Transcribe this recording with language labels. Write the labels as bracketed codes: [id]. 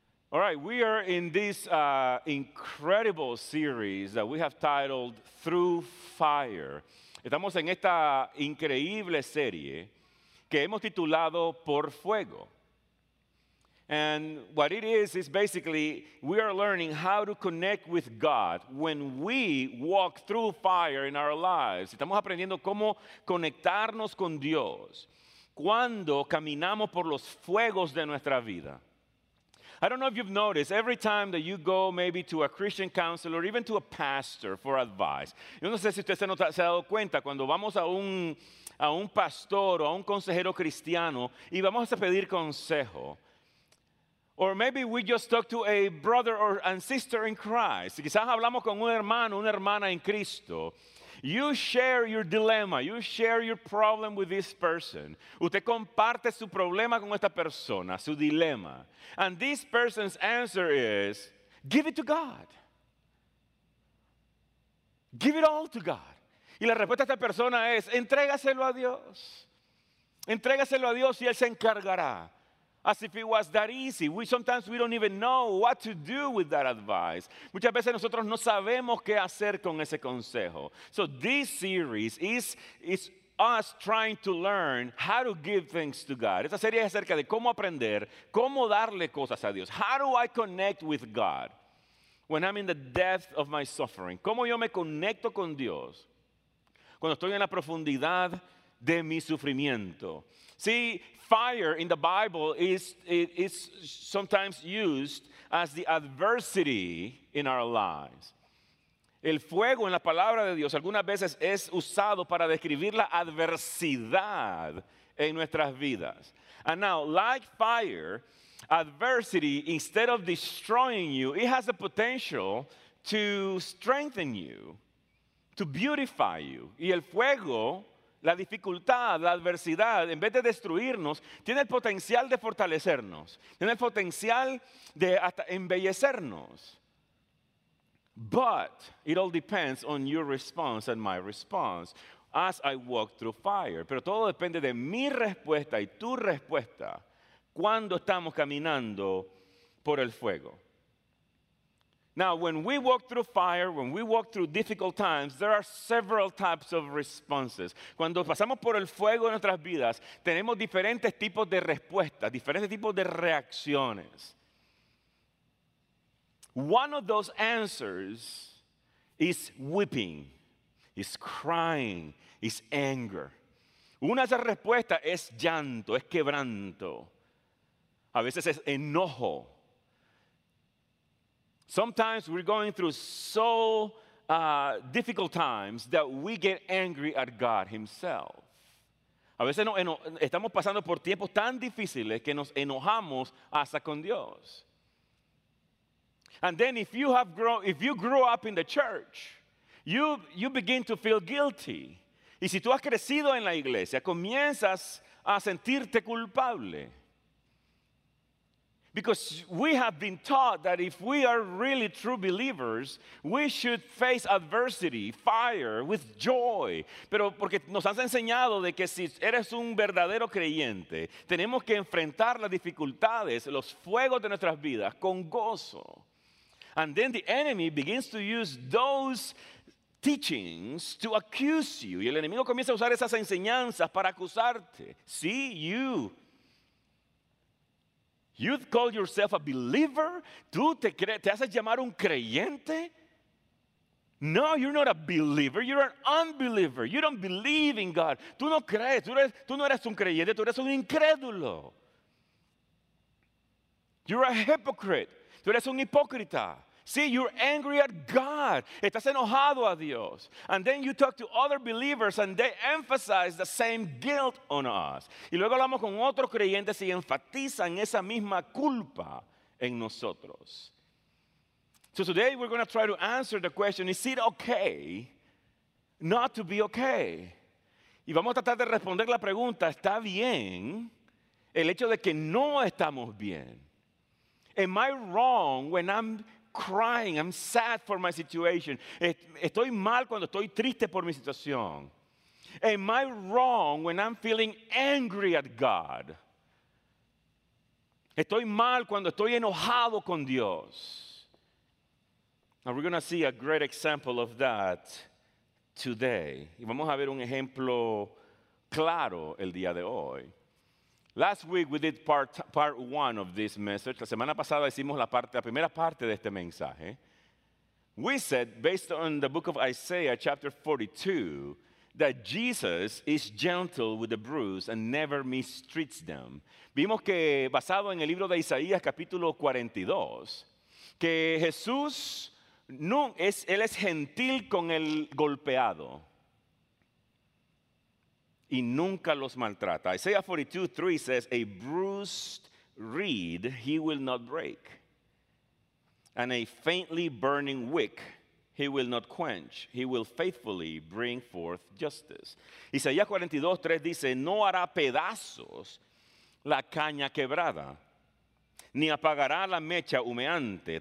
[en] All right, we are in this incredible series that we have titled Through Fire. [es] Estamos en esta increíble serie que hemos titulado Por Fuego. [en] And what it is basically we are learning how to connect with God when we walk through fire in our lives. [es] Estamos aprendiendo cómo conectarnos con Dios cuando caminamos por los fuegos de nuestra vida. [en] I don't know if you've noticed, every time that you go maybe to a Christian counselor or even to a pastor for advice, [es] yo no sé si usted se ha dado cuenta, cuando vamos a un pastor o a un consejero cristiano y vamos a pedir consejo, [en] or maybe we just talk to a brother or a sister in Christ, [es] quizás hablamos con un hermano, una hermana en Cristo, [en] you share your dilemma, you share your problem with this person. [es] Usted comparte su problema con esta persona, su dilema. [en] And this person's answer is, give it to God. Give it all to God. [es] Y la respuesta de esta persona es, entrégaselo a Dios. Entrégaselo a Dios y Él se encargará. [en] As if it was that easy. Sometimes we don't even know what to do with that advice. [es] Muchas veces nosotros no sabemos qué hacer con ese consejo. [en] So this series is us trying to learn how to give things to God. [es] Esta serie es acerca de cómo aprender, cómo darle cosas a Dios. [en] How do I connect with God when I'm in the depth of my suffering? [es] ¿Cómo yo me conecto con Dios cuando estoy en la profundidad de mi sufrimiento? [en] See, fire in the Bible is sometimes used as the adversity in our lives. [es] El fuego en la palabra de Dios algunas veces es usado para describir la adversidad en nuestras vidas. [en] And now, like fire, adversity, instead of destroying you, it has the potential to strengthen you, to beautify you. [es] Y el fuego, la dificultad, la adversidad, en vez de destruirnos, tiene el potencial de fortalecernos. Tiene el potencial de hasta embellecernos. [en] But it all depends on your response and my response as I walk through fire. [es] Pero todo depende de mi respuesta y tu respuesta cuando estamos caminando por el fuego. [en] Now, when we walk through fire, when we walk through difficult times, there are several types of responses. [es] Cuando pasamos por el fuego en nuestras vidas, tenemos diferentes tipos de respuestas, diferentes tipos de reacciones. [en] One of those answers is weeping, is crying, is anger. [es] Una de esas respuestas es llanto, es quebranto. A veces es enojo. [en] Sometimes we're going through so difficult times that we get angry at God himself. [es] A veces estamos pasando por tiempos tan difíciles que nos enojamos hasta con Dios. [en] And then if you grew up in the church, you begin to feel guilty. [es] Y si tú has crecido en la iglesia, comienzas a sentirte culpable. [en] Because we have been taught that if we are really true believers, we should face adversity, fire, with joy. [es] Pero porque nos han enseñado de que si eres un verdadero creyente, tenemos que enfrentar las dificultades, los fuegos de nuestras vidas con gozo. [en] And then the enemy begins to use those teachings to accuse you. [es] Y el enemigo comienza a usar esas enseñanzas para acusarte. [en] See, you. You call yourself a believer? [es] ¿Tú te haces llamar un creyente? [en] No, you're not a believer. You're an unbeliever. You don't believe in God. [es] Tú no crees. Tú no eres un creyente. Tú eres un incrédulo. [en] You're a hypocrite. [es] Tú eres un hipócrita. [en] See, you're angry at God. [es] Estás enojado a Dios. [en] And then you talk to other believers and they emphasize the same guilt on us. [es] Y luego hablamos con otros creyentes y enfatizan esa misma culpa en nosotros. [en] So today we're going to try to answer the question, is it okay not to be okay? [es] Y vamos a tratar de responder la pregunta, ¿está bien el hecho de que no estamos bien? [en] Am I wrong when I'm crying, I'm sad for my situation? [es] Estoy mal cuando estoy triste por mi situación. [en] Am I wrong when I'm feeling angry at God? [es] Estoy mal cuando estoy enojado con Dios. [en] Now we're going to see a great example of that today. [es] Y vamos a ver un ejemplo claro el día de hoy. [en] Last week we did part one of this message. [es] La semana pasada hicimos la primera parte de este mensaje. [en] We said, based on the book of Isaiah, chapter 42, that Jesus is gentle with the bruised and never mistreats them. [es] Vimos que, basado en el libro de Isaías, capítulo 42, que Jesús, no, es, él es gentil con el golpeado. Y nunca los maltrata. [en] Isaiah 42:3 says, a bruised reed he will not break, and a faintly burning wick he will not quench. He will faithfully bring forth justice. [es] Isaías 42:3 dice, no hará pedazos la caña quebrada, ni apagará la mecha humeante.